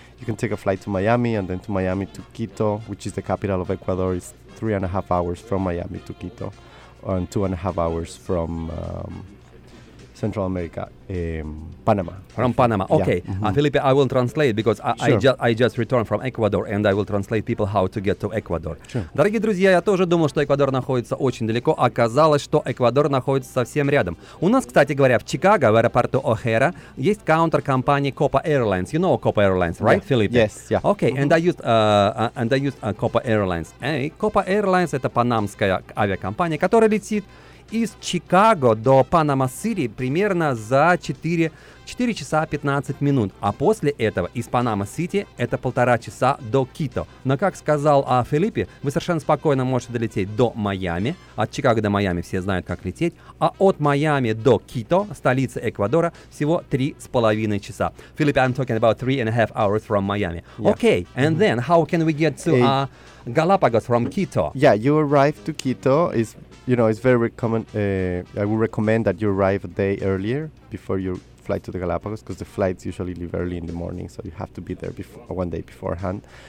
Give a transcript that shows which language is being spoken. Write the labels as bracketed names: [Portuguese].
[English] You can take a flight to Miami and then to Miami to Quito, which is the capital of Ecuador. It's 3.5 hours from Miami to Quito and 2.5 hours from Central America, Panama. From Panama, okay. Yeah. Mm-hmm. Felipe, I will translate because I just returned from Ecuador and I will translate people how to get to Ecuador. Sure. [Russian] Дорогие друзья, я тоже думал, что Эквадор находится очень далеко. Оказалось, что Эквадор находится совсем рядом. У нас, кстати говоря, в Чикаго, в аэропорту О'Хэра, есть каунтер компании Copa Airlines. [English] You know Copa Airlines, right, yeah. Felipe? Yes, yeah. Okay, mm-hmm. and I used Copa Airlines. [Russian] Hey, Copa Airlines – это панамская авиакомпания, которая летит из Чикаго до Панама-Сити примерно за 4 часа 15 минут. А после этого из Панама-Сити это 1.5 часа до Кито. Но, как сказал Филиппе, вы совершенно спокойно можете долететь до Майами. От Чикаго до Майами все знают, как лететь. А от Майами до Кито, столицы Эквадора, всего 3.5 часа. [English] Филиппе, I'm talking about 3.5 hours from Miami. Yeah. Okay, and mm-hmm. then how can we get to Galapagos from Quito? Yeah, you arrive to Quito. It's very common. I would recommend that you arrive a day earlier before you fly to the Galapagos, because the flights usually leave early in the morning, so you have to be there before, one day beforehand.